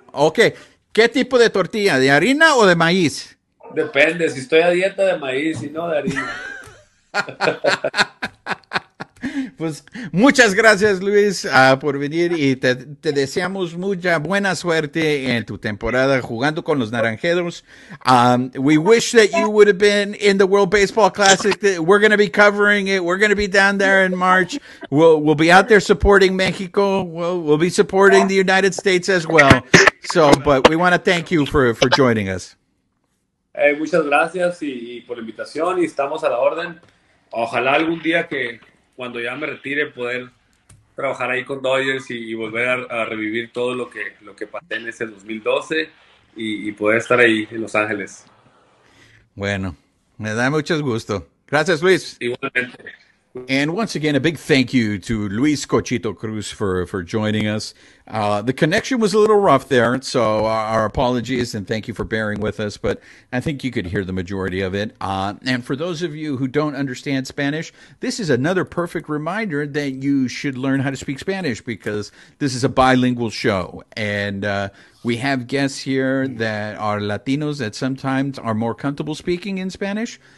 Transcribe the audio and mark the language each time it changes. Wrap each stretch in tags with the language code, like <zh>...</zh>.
<es>Okay, ¿qué tipo de tortilla? ¿De harina o de maíz? Depende, si estoy a dieta de maíz y no de harina. Pues muchas gracias, Luis, por venir y te deseamos mucha buena suerte en tu temporada jugando con los Naranjeros.</es> <en>We wish that you would have been in the World Baseball Classic. We're going to be covering it. We're going to be down there in March. We'll be out there supporting Mexico. We'll be supporting the United States as well. So, but we want to thank you for joining us.</en> <es>Muchas gracias y por la invitación y estamos a la orden. Ojalá algún día que cuando ya me retire poder trabajar ahí con Dodgers y volver a revivir todo lo que pasé en ese 2012 y poder estar ahí en Los Ángeles. Bueno, me da mucho gusto. Gracias, Luis. Igualmente.</es> <en>And once again, a big thank you to Luis Cochito Cruz for joining us. The connection was a little rough there, so our apologies and thank you for bearing with us, but I think you could hear the majority of it. And for those of you who don't understand Spanish, this is another perfect reminder that you should learn how to speak Spanish, because this is a bilingual show, and we have guests here that are Latinos that sometimes are more comfortable speaking in Spanish.</en>